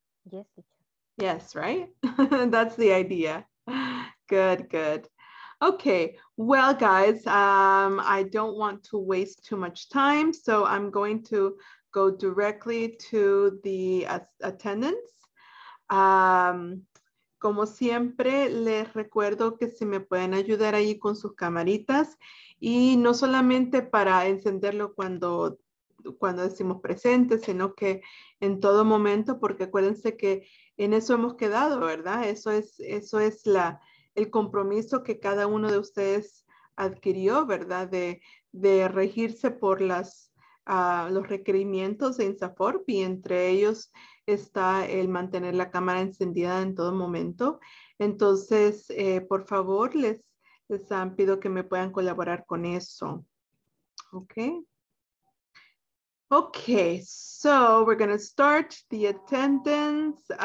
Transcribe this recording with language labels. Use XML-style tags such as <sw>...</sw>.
<en>Yes. Yes, right? That's the idea. Good, good. Okay, well, guys, I don't want to waste too much time. So I'm going to go directly to the attendance.</en> <es>Como siempre, les recuerdo que si me pueden ayudar ahí con sus camaritas y no solamente para encenderlo cuando decimos presente, sino que en todo momento, porque acuérdense que en eso hemos quedado, ¿verdad? Eso es el compromiso que cada uno de ustedes adquirió, ¿verdad? De regirse por los requerimientos de INSAFORP y entre ellos está el mantener la cámara encendida en todo momento. Entonces, por favor, les pido que me puedan colaborar con eso.</es> <en>Okay, so we're going to start the attendance.</en>